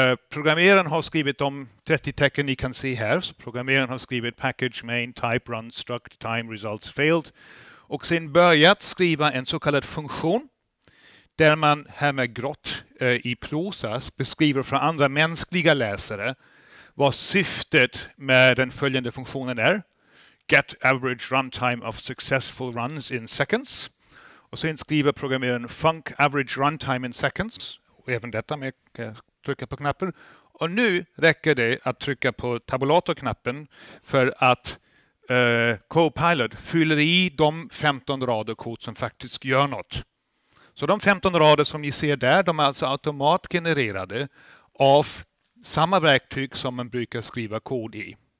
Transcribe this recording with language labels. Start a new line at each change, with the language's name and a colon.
Swedish: Programmeraren har skrivit de 30 tecken ni kan se här. Så programmeraren har skrivit package, main, type, run, struct, time, results, failed. Och sen börjat skriva en så kallad funktion där man här med grått i prosa beskriver för andra mänskliga läsare vad syftet med den följande funktionen är.
English: Get average runtime of successful runs in seconds.
Swedish: Och sen skriver programmeraren func average runtime in seconds. Och även detta med trycka på knappen. Och nu räcker det att trycka på tabulatorknappen för att Copilot fyller i de 15 rader kod som faktiskt gör något. Så de 15 rader som ni ser där, de är alltså automatgenererade av samma verktyg som man brukar skriva kod i.